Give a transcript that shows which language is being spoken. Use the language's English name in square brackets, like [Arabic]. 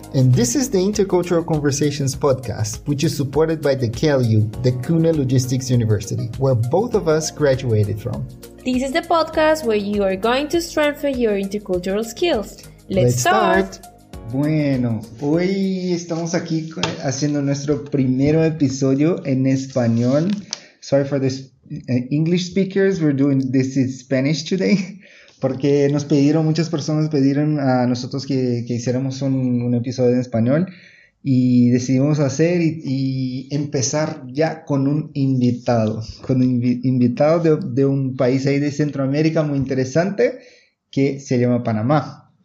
[English] And this is the Intercultural Conversations podcast, which is supported by the KLU, the Kuna Logistics University, where both of us graduated from. This is the podcast where you are going to strengthen your intercultural skills. Let's start. [Spanish] Bueno, hoy estamos aquí haciendo nuestro primero episodio en español. [English] Sorry for the English speakers, we're doing this in Spanish today. [Spanish] Porque nos pidieron, muchas personas pidieron a nosotros que hiciéramos un episodio en español. Y decidimos hacer y empezar ya con un invitado. Con un invitado de un país ahí de Centroamérica muy interesante que se llama Panamá.